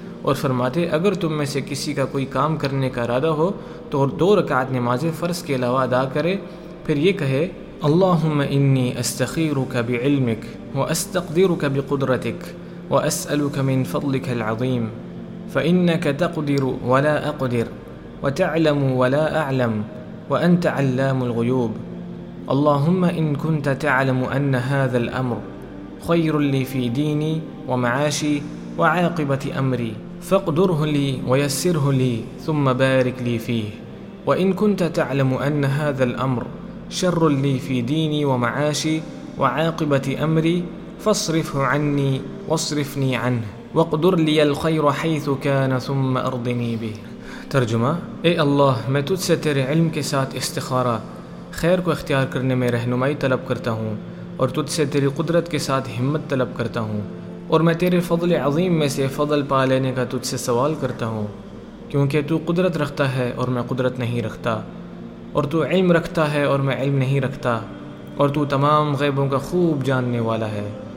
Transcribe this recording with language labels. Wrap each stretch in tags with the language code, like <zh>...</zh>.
<ur>اور فرماتے اگر تم میں سے کسی کا کوئی کام کرنے کا ارادہ ہو تو دو رکعت نماز فرض کے علاوہ ادا کرے, پھر یہ کہے</ur> <ar>اللهم إني أستخيرك بعلمك وأستقدرك بقدرتك وأسألك من فضلك العظيم فإنك تقدر ولا أقدر وتعلم ولا أعلم وأنت علام الغيوب. اللهم إن كنت تعلم أن هذا الأمر خير لي في ديني ومعاشي وعاقبة أمري فاقدره لي ويسره لي ثم بارك لي فيه, وإن كنت تعلم أن هذا الأمر شر لي في ديني ومعاشي وعاقبة أمري فاصرفه عني واصرفني عنه واقدر لي الخير حيث كان ثم أرضني به.</ar> <ur>ترجمہ: اے اللہ, میں تجھ سے تیرے علم کے ساتھ استخارہ خیر کو اختیار کرنے میں رہنمائی طلب کرتا ہوں, اور تجھ سے تیری قدرت کے ساتھ ہمت طلب کرتا ہوں, اور میں تیرے فضل عظیم میں سے فضل پا لینے کا تجھ سے سوال کرتا ہوں, کیونکہ تو قدرت رکھتا ہے اور میں قدرت نہیں رکھتا, اور تو علم رکھتا ہے اور میں علم نہیں رکھتا, اور تو تمام غیبوں کا خوب جاننے والا ہے.</ur>